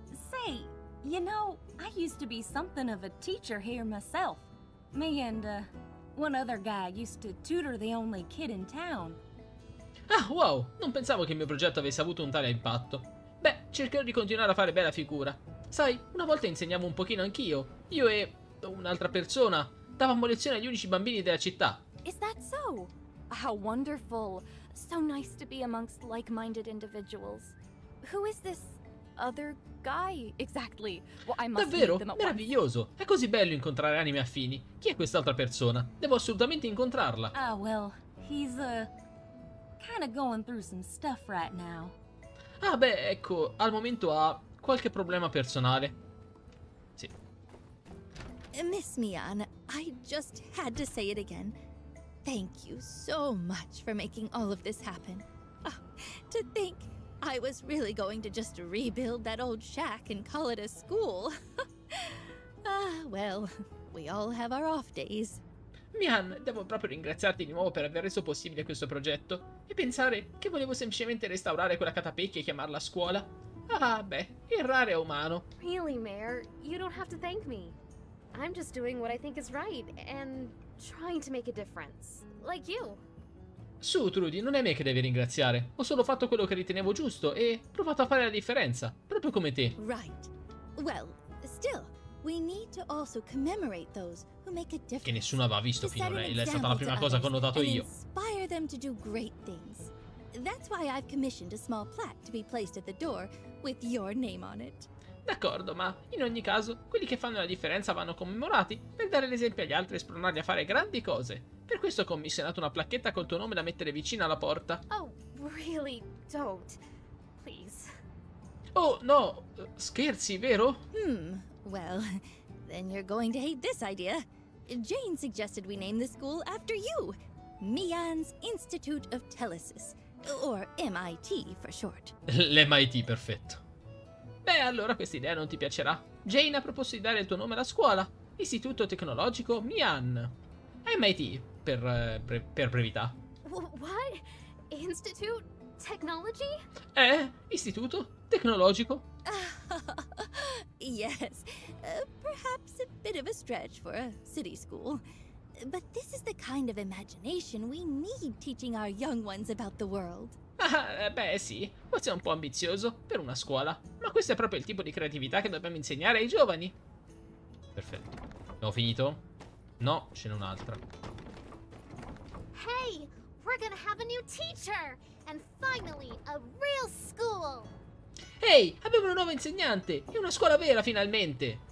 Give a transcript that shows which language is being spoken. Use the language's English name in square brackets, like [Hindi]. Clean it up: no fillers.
[English] Say, you know, I used to be something of a teacher here myself. Me and one other guy used to tutor the only kid in town. [Italian] Ah, wow, non pensavo che il mio progetto avesse avuto un tale impatto. Beh, cercherò di continuare a fare bella figura. Sai, una volta insegnavo un pochino anch'io. Io e un'altra persona davamo lezioni agli unici bambini della città. [English] Is that so? How wonderful. So nice to be amongst like-minded individuals. Who is this other guy exactly? Well, I must [Italian] Davvero? [English] Meet them at [Italian] Meraviglioso. È così bello incontrare anime affini. Chi è quest'altra persona? Devo assolutamente incontrarla. [English] Ah, well, he's kind of going through some stuff right now. [Italian] Ah beh, ecco, al momento ha qualche problema personale. Sì. [English] Miss Mian, I just had to say it again. Thank you so much for making all of this happen. Oh, to think I was really going to just rebuild that old shack and call it a school. Ah, well, we all have our off days. [Italian] Mian, devo proprio ringraziarti di nuovo per aver reso possibile questo progetto. E pensare che volevo semplicemente restaurare quella catapecchia e chiamarla scuola. Ah, beh, errare è umano. [English] Really, Mare, you don't have to thank me. I'm just doing what I think is right and trying to make a difference, like you. [Italian] Su, Trudy, non è me che devi ringraziare. Ho solo fatto quello che ritenevo giusto e provato a fare la differenza, proprio come te. [English] Right. Well, still, we need to also commemorate those who make a difference. [Italian] Che nessuno aveva visto finora, è stata la prima cosa che ho notato io. [English] Inspire them to do great things. That's why I've commissioned a small plaque to be placed at the door with your name on it. [Italian] D'accordo, ma in ogni caso, quelli che fanno la differenza vanno commemorati per dare l'esempio agli altri e spronarli a fare grandi cose. Per questo ho commissionato una placchetta col tuo nome da mettere vicino alla porta. [English] Oh, really? Don't. Please. [Italian] Oh, no, scherzi, vero? [English] Well, then you're going to hate this idea. Jane suggested we name the school after you. Mian's Institute of Telesis, or MIT for short. [Italian] L'MIT, perfetto. Beh, allora questa idea non ti piacerà. Jane ha proposto di dare il tuo nome alla scuola. Istituto Tecnologico Mian. MIT, per brevità. [English] What? Institute Technology? [Italian] Istituto Tecnologico. [English] Yes, perhaps a bit of a stretch for a city school. But this is the kind of imagination we need teaching our young ones about the world. [Italian] Beh sì, forse è un po' ambizioso per una scuola, ma questo è proprio il tipo di creatività che dobbiamo insegnare ai giovani. Perfetto. Ho finito? No, ce n'è un'altra. [English] Hey, we're gonna have a new teacher and finally a real school. [Italian] Ehi, abbiamo una nuova insegnante e una scuola vera finalmente.